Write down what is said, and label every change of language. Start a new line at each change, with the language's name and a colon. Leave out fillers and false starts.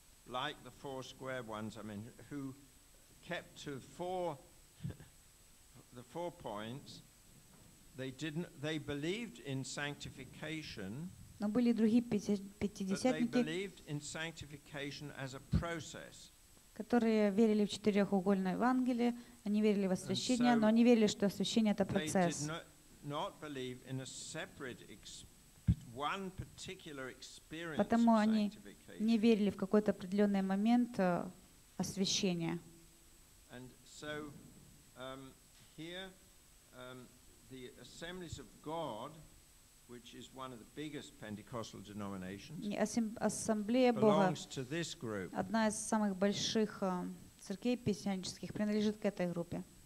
English: Like the four square ones, I mean, who kept to four, the four points, they believed in sanctification.
Russian: Но были другие пятидесятники,
English: but they believed in sanctification as a process.
Russian: Которые верили в четырехугольное Евангелие, они верили в освящение, но они верили, что освящение это процесс.
English: They did not believe in a separate experience. One particular experience.
Russian: Потому они не верили в какой-то определенный момент освящения.
English: And so here the Assemblies of God, which is one of the biggest Pentecostal denominations,
Russian: Ассамблея Бога,
English: belongs to this group.
Russian: Одна из самых больших церквей пятидесятнических принадлежит к этой группе.